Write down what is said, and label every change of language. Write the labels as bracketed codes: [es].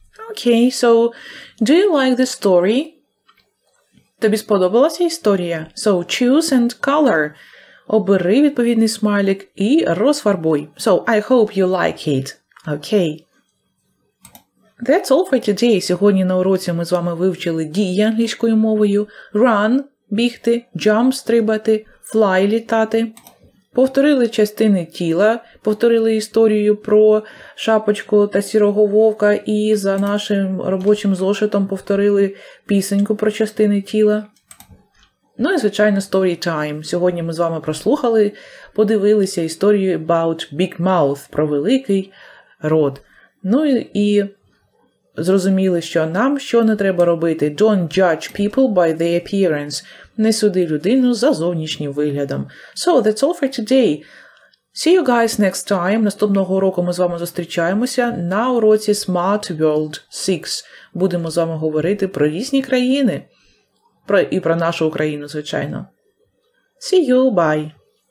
[en] Okay, so do you like the story? [uk] Тобі сподобалася історія? [en] So choose and color. [uk] Обери відповідний смайлик і розфарбуй. [en] So I hope you like it. Окей. Okay. That's all for today. [uk] Сьогодні на уроці ми з вами вивчили дії англійською мовою. Run – бігти, jump – стрибати, fly – літати. Повторили частини тіла, повторили історію про шапочку та сірого вовка і за нашим робочим зошитом повторили пісеньку про частини тіла. Ну і, звичайно, [en] story time. [uk] Сьогодні ми з вами прослухали, подивилися історію [en] about big mouth, [uk] про великий рот. Ну і зрозуміли, що нам що не треба робити. [en] Don't judge people by their appearance. [uk] Не суди людину за зовнішнім виглядом. [en] So, that's all for today. See you guys next time. [uk] Наступного року ми з вами зустрічаємося на уроці Smart World 6. Будемо з вами говорити про різні країни. І про нашу Україну, звичайно. [en] See you, bye.